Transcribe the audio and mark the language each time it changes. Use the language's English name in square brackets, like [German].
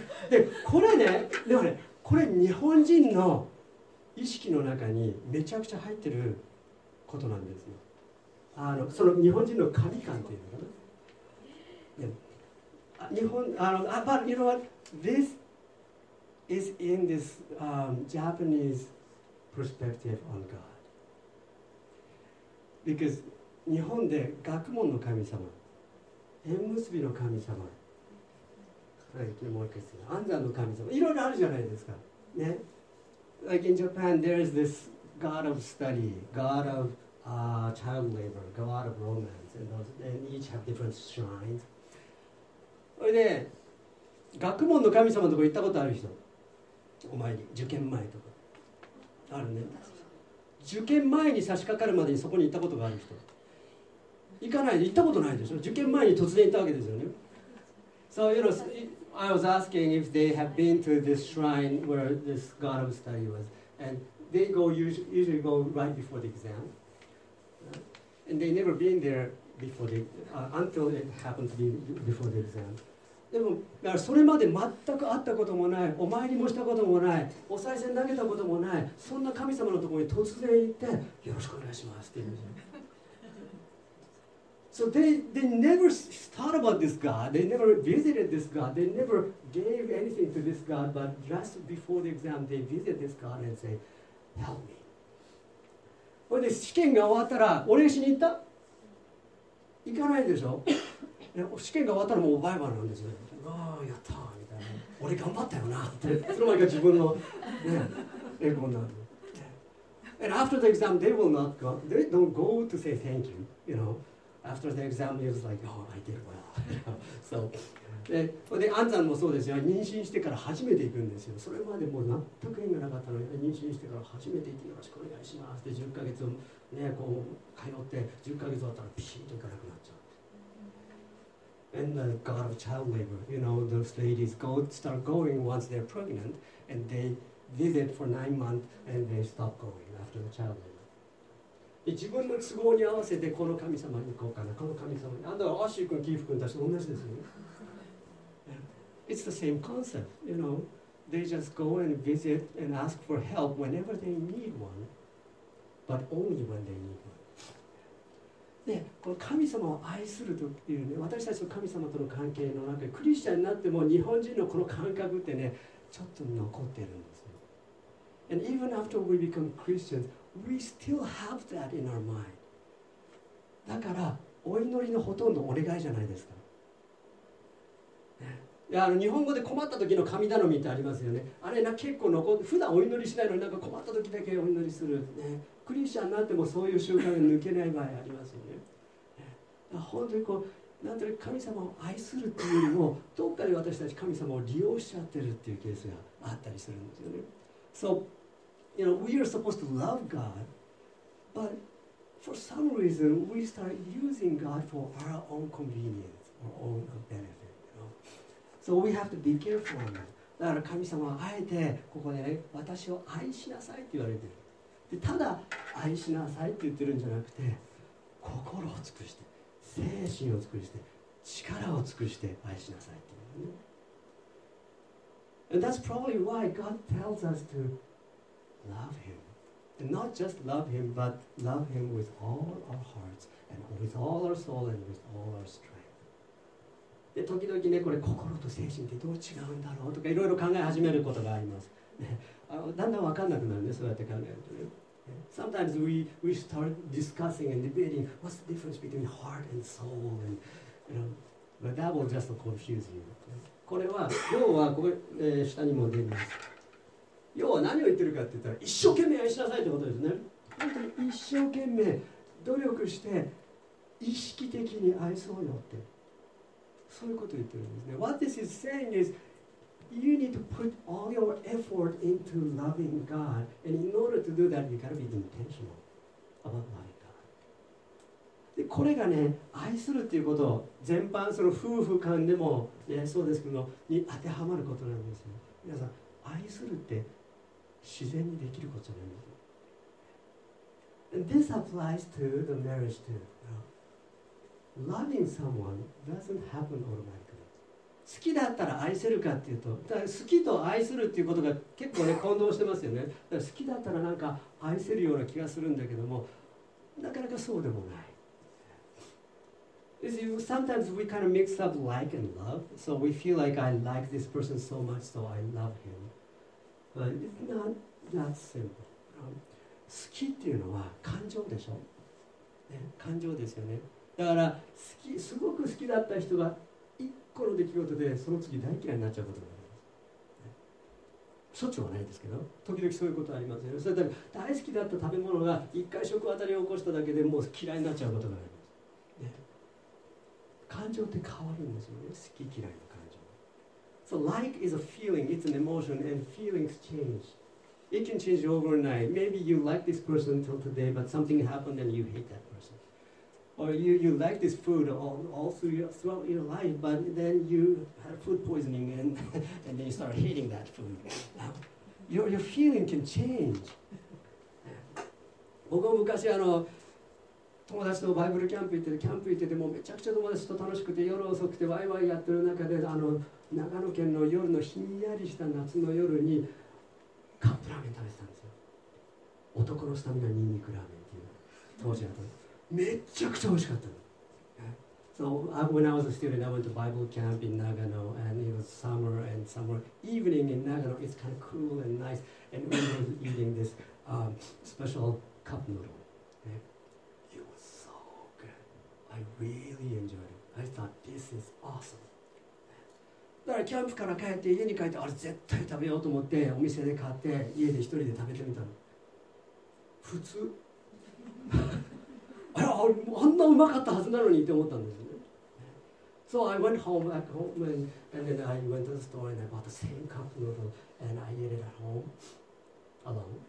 [Japanese] で、これね、でもね、これ日本人の意識の中にめちゃくちゃ入ってることなんですよ。その日本人の神感っていうのかな。 [English] 日本、but you know what? This is in this Japanese perspective on God. Because [Japanese] 日本で学問の神様、縁結びの神様、もう一回ですね、安産の神様、いろいろあるじゃないですか。ね。 [English] Like in Japan, there is this god of study, god of child labor, god of romance, and those, and each have different shrines. [Japanese] それで、学問の神様のとこ行ったことある人、お前に、受験前とか。あるね。受験前に差し掛かるまでにそこに行ったことがある人。行かない、行ったことないでしょ。受験前に突然行ったわけですよね。 [English] So, you know, I was asking if they have been to this shrine where this god of study was. And they go usually go right before the exam. And they never been there before the, until it happened to be before the exam. [Japanese] でも、だからそれまで全く会ったこともない、お参りもしたこともない、お賽銭投げたこともない、そんな神様のところに突然行って、よろしくお願いしますって言うんですよ。 [English] So they never thought about this God, they never visited this God, they never gave anything to this God, but just before the exam, they visit this God and say, help me. [Japanese] ほいで試験が終わったら、お礼しに行った？行かないでしょ？試験が終わったらもうバイバイなんですよ。あー、やったーみたいな。俺頑張ったよなって、その前が自分の、ね、英語になる。 [English] And after the exam, they will not go, they don't go to say thank you, you know. After the exam, he was like, oh, I did well. [Japanese] so, で、安産もそうですよ。妊娠してから初めて行くんですよ。それまでもう納得意がなかったのに、妊娠してから初めて行ってよろしくお願いしますって10ヶ月を、ね、こう通って、10ヶ月終わったらピシッと行かなくなっちゃう。 [English] And the God of child labor, you know, those ladies go, start going once they're pregnant, and they visit for 9 months, and they stop going after the child labor. [Japanese] 自分の都合に合わせてこの神様に行こうかな、この神様に。あんたはアッシー君、キーフ君たちと同じですよね。 [English] It's the same concept, you know. They just go and visit and ask for help whenever they need one, but only when they need one. [Japanese] で、この神様を愛するというね、私たちと神様との関係の中で、クリスチャンになっても日本人のこの感覚ってね、ちょっと残ってるんですよ。 [English] And even after we become Christians,We still have that in our mind. [Japanese] だから、お祈りのほとんどお願いじゃないですか。いや、日本語で困った時の神頼みってありますよね。あれな、結構残って普段お祈りしないのになんか困った時だけお祈りする、ね、クリスチャンになってもそういう習慣が抜けない場合ありますよね。本当にこう、なんていうか神様を愛するっていうよりもどっかで私たち神様を利用しちゃってるっていうケースがあったりするんですよね。 [English] So, you know, we are supposed to love God, but for some reason we start using God for our own convenience or own benefit. So we have to be careful on that. [Japanese] だから神様はあえてここで、ね、私を愛しなさいって言われてる。で、ただ愛しなさいって言ってるんじゃなくて、心を尽くして、精神を尽くして、力を尽くして愛しなさいっていう、ね。 [English] And that's probably why God tells us to love Him. And not just love Him, but love Him with all our hearts and with all our soul and with all our strength. [Japanese] で時々ね、これ心と精神ってどう違うんだろうとかいろいろ考え始めることがあります、ね、だんだん分かんなくなるね、そうやって考えるとね。 [English] Sometimes we start discussing and debating what's the difference between heart and soul and, you know, but that will just confuse you. [Japanese] これは要はこれ、下にも出ます。要は何を言ってるかって言ったら、一生懸命愛しなさいってことですね。本当に一生懸命努力して意識的に愛そうよって、そういうことを言ってるんですね。 [English] What this is saying is, you need to put all your effort into loving God, and in order to do that, you gotta be intentional about loving God. [Japanese] で、これがね、愛するっていうこと、全般その夫婦間でも、ね、そうですけど、に当てはまることなんですよ。皆さん、愛するって自然にできることなんですよ。 [English] And this applies to the marriage too. Loving someone doesn't happen automatically. [Japanese] 好きだったら愛せるかっていうと、だから好きと愛するっていうことが結構ね混同してますよね。だから好きだったらなんか愛せるような気がするんだけども、なかなかそうでもない。 [English] You see, sometimes we kind of mix up like and love. So we feel like I like this person so much, so I love him. But it's not that simple. [Japanese] 好きっていうのは感情でしょ、ね、感情ですよね。だから好き、すごく好きだった人が一個の出来事でその次大嫌いになっちゃうことがあります。しょっちゅうはないですけど、時々そういうことはありますよね。それ大好きだった食べ物が一回食当たりを起こしただけでもう嫌いになっちゃうことがあります、ね、感情って変わるんですよね、好き嫌いの感情。 [English] So like is a feeling, it's an emotion, and feelings change. It can change overnight. Maybe you like this person until today, but something happened and you hate that personOr you like this food all throughout your life, but then you have food poisoning and then you start hating that food. Your feeling can change. [Japanese] 僕も昔友達とバイブルキャンプ行ってて、キャンプ行っててもめちゃくちゃ友達と楽しくて夜遅くてワイワイやってる中で、長野県の夜のひんやりした夏の夜にカップラーメン食べてたんですよ。男のスタミナニンニクラーメンっていう当時やった。めっちゃくちゃ美味しかったの。 [English] So when I was a student, I went to Bible camp in Nagano, and it was summer, and summer evening in Nagano, it's kind of cool and nice, and we were eating this special cup noodle. It was so good. I really enjoyed it. I thought, this is awesome. [Japanese] だからキャンプから帰って家に帰って、あれ絶対食べようと思って、お店で買って、家で一人で食べてみたの。普通あんなうまかったはずなのにって思ったんですね。 [English] So I went home, back home, and then I went to the store and I bought the same cup noodle and I ate it at home, alone.